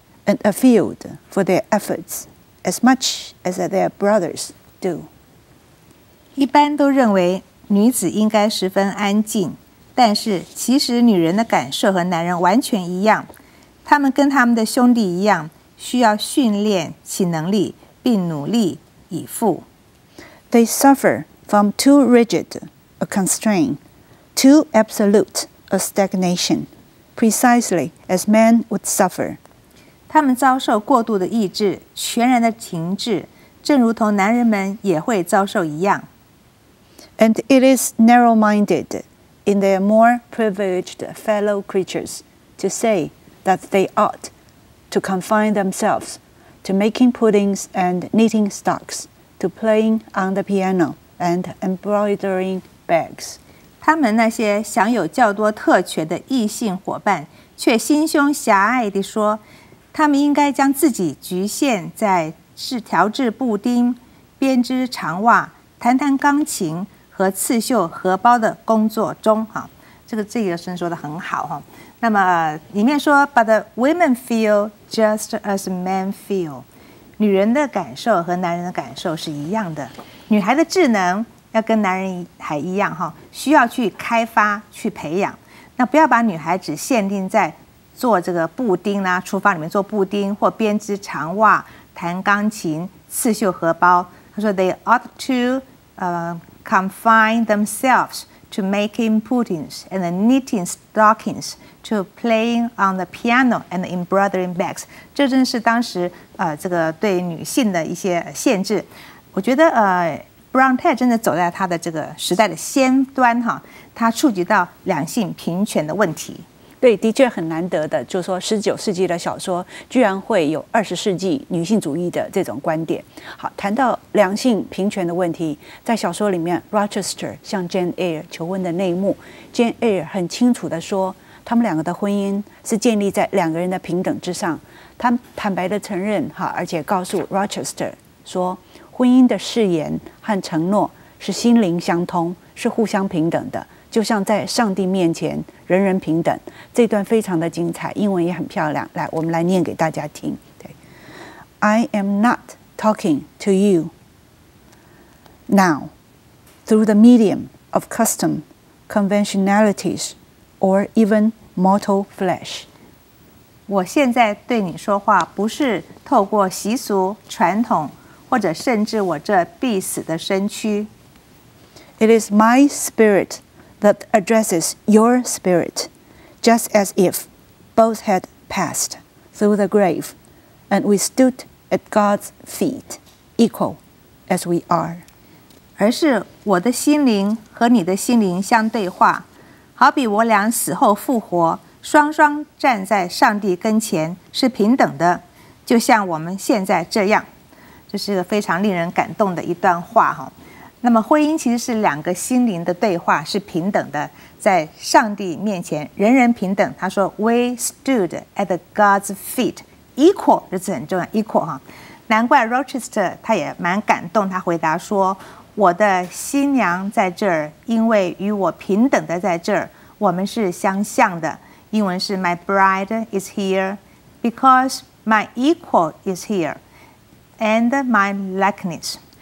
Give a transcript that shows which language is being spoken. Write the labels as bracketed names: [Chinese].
[English] And a field for their efforts, as much as their brothers do. [Chinese] 一般都认为女子应该十分安静，但是其实女人的感受和男人完全一样，她们跟她们的兄弟一样，需要训练其能力并努力以赴。 [English] They suffer from too rigid a constraint, too absolute a stagnation, precisely as men would suffer. [Chinese] 他们遭受过度的抑制，全然的停滞，正如同男人们也会遭受一样。 [English] And it is narrow-minded in their more privileged fellow creatures to say that they ought to confine themselves to making puddings and knitting stocks, to playing on the piano and embroidering bags. [Chinese] 他们那些享有较多特权的异性伙伴，却心胸狭隘地说。他们应该将自己局限在是调制布丁、编织长袜、弹弹钢琴和刺绣荷包的工作中。哈，这个是说的很好哈。那么里面说 ， [English] But the women feel just as men feel， [Chinese] 女人的感受和男人的感受是一样的。女孩的智能要跟男人还一样哈，需要去开发、去培养。那不要把女孩只限定在。做这个布丁啊，厨房里面做布丁或编织长袜、弹钢琴、刺绣荷包。他说 ， [English] They ought to confine themselves to making puddings and knitting stockings, to playing on the piano and embroidering bags。 [Chinese] 这正是当时这个对女性的一些限制。我觉得Bronte 真的走在他的这个时代的先端哈，他触及到两性平权的问题。对，的确很难得的，就是说19世纪的小说居然会有20世纪女性主义的这种观点。好，谈到两性平权的问题，在小说里面 Rochester 向 Jane Eyre 求婚的那一幕， Jane Eyre 很清楚地说他们两个的婚姻是建立在两个人的平等之上。他坦白地承认，而且告诉 Rochester 说，婚姻的誓言和承诺是心灵相通，是互相平等的，就像在上帝面前人人平等。这段非常的精彩，英文也很漂亮。来，我们来念给大家听。 [English] 对， I am not talking to you now through the medium of custom, conventionalities, or even mortal flesh. [Chinese] 我现在对你说话不是透过习俗、传统，或者甚至我这必死的身躯。 [English] It is my spirit. That addresses your spirit, just as if both had passed through the grave, and we stood at God's feet, equal as we are. [Chinese] 而是我的心灵和你的心灵相对话，好比我俩死后复活，双双站在上帝跟前是平等的，就像我们现在这样。这是个非常令人感动的一段话哈。那么婚姻其实是两个心灵的对话，是平等的，在上帝面前人人平等。他说 ， [English] We stood at God's feet, equal， [Chinese] 这是很重要 ，equal 哈。难怪 Rochester 他也蛮感动，他回答说，我的新娘在这儿，因为与我平等的在这儿，我们是相像的。英文是 [English] My bride is here because my equal is here and my likeness。